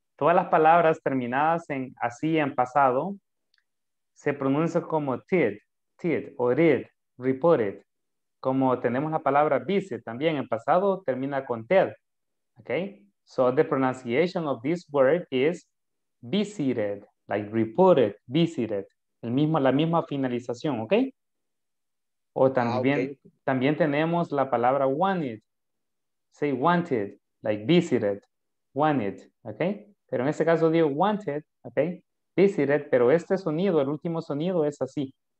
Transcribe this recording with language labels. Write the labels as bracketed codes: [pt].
[es] Todas las palabras terminadas en así en pasado se pronuncia como did, o did, reported. Como tenemos la palabra visit también en pasado, termina con ted. [en] Okay? So the pronunciation of this word is visited, like reported, visited. [es] El mismo, la misma finalización, ¿ok? O también, okay, también tenemos la palabra wanted. [en] Say wanted, like visited, wanted, ¿ok? [es] Pero en este caso digo wanted, ok, visited, pero este sonido, el último sonido es así.